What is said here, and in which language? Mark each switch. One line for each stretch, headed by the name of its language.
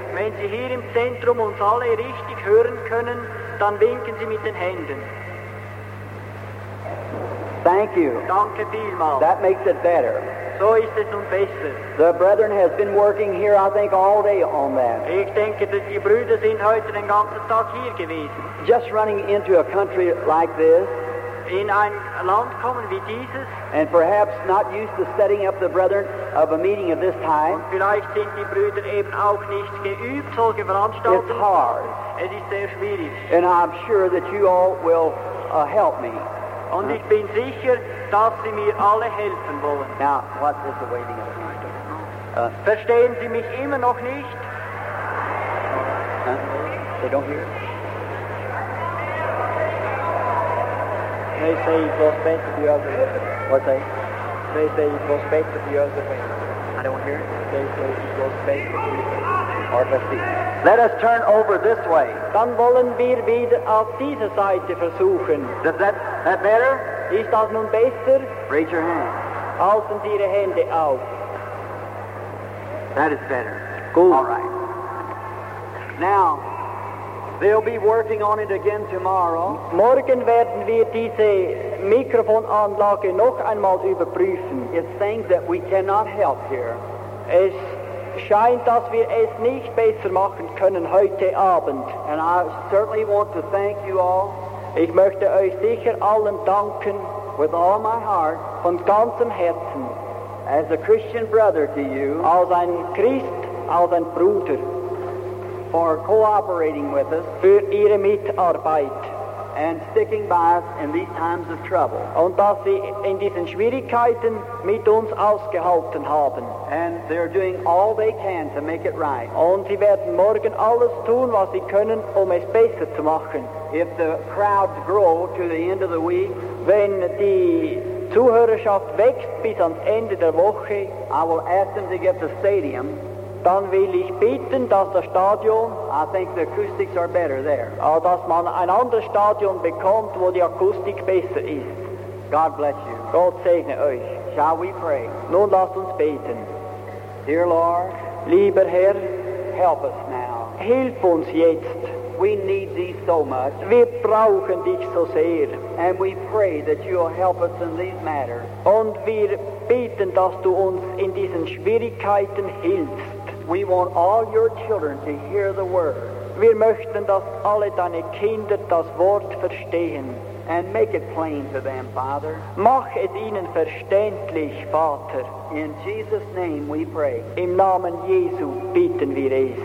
German: Wenn Sie hier im Zentrum uns alle richtig hören können, dann winken Sie mit den Händen.
English: Thank you.
German: Danke vielmals.
English: That makes it better.
German: So ist es nun besser.
English: The brethren has been working here, I think, all day on that.
German: Ich denke, dass die Brüder sind heute den ganzen Tag hier gewesen.
English: Just running into a country like this.
German: In ein Land kommen wie dieses.
English: And perhaps not used to setting up the brethren of a meeting of this type.
German: Und vielleicht sind die Brüder eben auch nicht geübt, solche Veranstaltungen.
English: It's hard.
German: Es ist sehr schwierig.
English: And I'm sure that you all will help me.
German: Und ich bin sicher, dass Sie mir alle helfen wollen.
English: Now, what is the waiting of time?
German: Verstehen Sie mich immer noch nicht?
English: They don't hear? They say it was better the other way. What say? They say it was better the other way. I don't hear? They say it was better the other way. Let us turn over this way.
German: Dann wollen wir wieder auf diese Seite versuchen.
English: Is that, that better?
German: Ist das nun besser?
English: Raise your hand.
German: Halten Sie Ihre Hände auf.
English: That is better.
German: Gut.
English: All right. Now, they'll be working on it again tomorrow.
German: Morgen werden wir diese Mikrofonanlage noch einmal überprüfen.
English: It's things that we cannot help here.
German: Es scheint, dass wir es nicht besser machen können heute Abend.
English: And I certainly want to thank you all.
German: Ich möchte euch sicher allen danken.
English: With all my heart.
German: Von ganzem Herzen.
English: As a Christian brother to you.
German: Als ein Christ, als ein Bruder.
English: For cooperating with us.
German: Für ihre Mitarbeit.
English: And sticking by us in these times of trouble.
German: Und dass sie in diesen Schwierigkeiten mit uns ausgehalten haben.
English: And they're doing all they can to make it right.
German: Und sie werden morgen alles tun, was sie können, um es besser zu machen.
English: If the crowds grow to the end of the week,
German: wenn die Zuhörerschaft wächst bis ans Ende der Woche,
English: I will ask them to get the stadium.
German: Dann will ich bitten, dass das Stadion,
English: I think the acoustics are better there.
German: Dass man ein anderes Stadion bekommt, wo die Akustik besser ist.
English: God bless you.
German: Gott segne euch.
English: Shall we pray?
German: Nun lasst uns beten.
English: Dear Lord,
German: lieber Herr,
English: help us now.
German: Hilf uns jetzt.
English: We need thee so much.
German: Wir brauchen dich so sehr.
English: And we pray that you will help us in these matters.
German: Und wir beten, dass du uns in diesen Schwierigkeiten hilfst.
English: We want all your children to hear the word.
German: Wir möchten, dass alle deine Kinder das Wort verstehen.
English: And make it plain to them, Father.
German: Mach es ihnen verständlich, Vater.
English: In Jesus' name we pray.
German: Im Namen Jesu beten wir es.